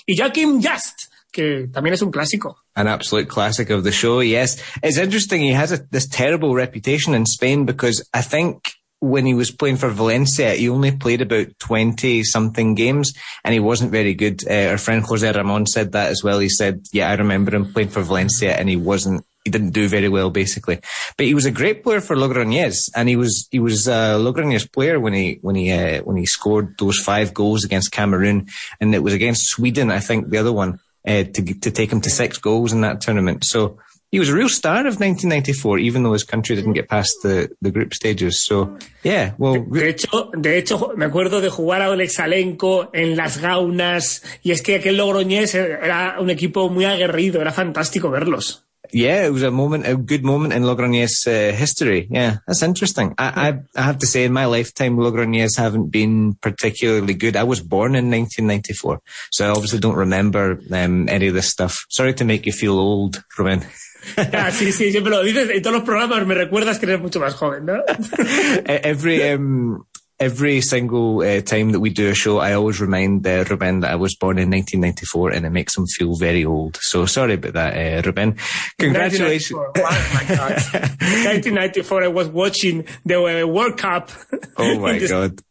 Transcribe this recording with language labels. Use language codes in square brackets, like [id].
[es] Y Joaquim Just, que también es un clásico. [en] An absolute classic of the show, yes. It's interesting, he has this terrible reputation in Spain because I think when he was playing for Valencia, he only played about 20-something games, and he wasn't very good. Our friend José Ramón said that as well. He said, yeah, I remember him playing for Valencia, and he didn't do very well, basically. But he was a great player for Logroñés, and he was a Logroñés player when he scored those 5 goals against Cameroon, and it was against Sweden, I think, the other one, to take him to 6 goals in that tournament. So he was a real star of 1994, even though his country didn't get past the group stages. So, yeah, well. [es] De hecho, me acuerdo de jugar a Oleg Salenko en Las Gaunas. Y es que aquel Logroñés era un equipo muy aguerrido. Era fantástico verlos. [en] Yeah, it was a good moment in Logroñés history. Yeah, that's interesting. I have to say, in my lifetime, Logroñés haven't been particularly good. I was born in 1994, so I obviously don't remember any of this stuff. Sorry to make you feel old, Ruben. [es] Sí, siempre lo dices en todos los programas, me recuerdas que eres mucho más joven, ¿no? [en] Every single time that we do a show, I always remind Ruben that I was born in 1994, and it makes him feel very old. So sorry about that, Ruben. Congratulations. 1994. Wow, my God. 1994, I was watching the World Cup. Oh my God.